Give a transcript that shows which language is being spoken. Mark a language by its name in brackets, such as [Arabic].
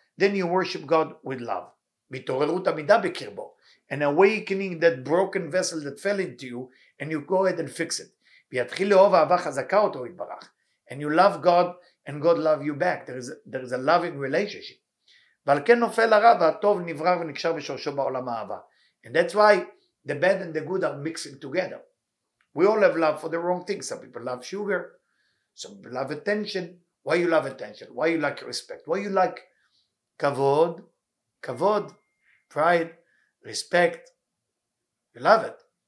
[English] Then you worship God with love. [Hebrew] מתעוררות עמידה בקרבו. [English] And awakening that broken vessel that fell into you, and you go ahead and fix it. [Hebrew] ויתחיל לאהוב אהבה חזקה אותו יתברך. [English] And you love God, and God love you back. There is a loving relationship. [Hebrew] ועל כן נופל הרע, והטוב נברר ונקשר בשורשו בעולם האהבה. [English] And that's why the bad and the good are mixing together. We all have love for the wrong things. Some people love sugar. Some people love attention. Why you love attention? Why you like respect? Why you like kavod? Kavod, pride, respect. You love it.